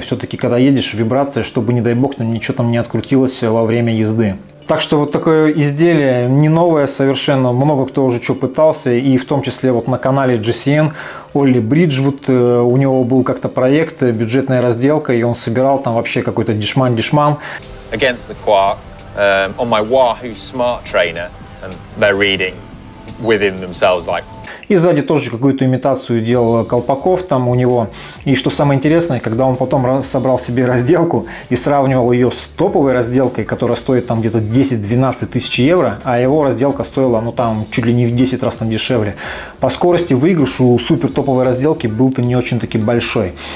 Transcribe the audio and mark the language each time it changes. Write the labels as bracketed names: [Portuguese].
[Russian] Все-таки, когда едешь, вибрация, чтобы, не дай бог, ничего там не открутилось во время езды. Так что вот такое изделие не новое совершенно, много кто уже что пытался, и в том числе вот на канале GCN Олли Бриджвуд, у него был как-то проект, бюджетная разделка, и он собирал там вообще какой-то дешман-дешман. [English] Against the quark, on my Wahoo smart trainer, and they're reading within themselves like... [Russian] И сзади тоже какую-то имитацию делал колпаков там у него. И что самое интересное, когда он потом собрал себе разделку и сравнивал ее с топовой разделкой, которая стоит там где-то 10-12 тысяч евро, а его разделка стоила, ну там, чуть ли не в 10 раз там дешевле. По скорости выигрыш у супер топовой разделки был-то не очень-таки большой.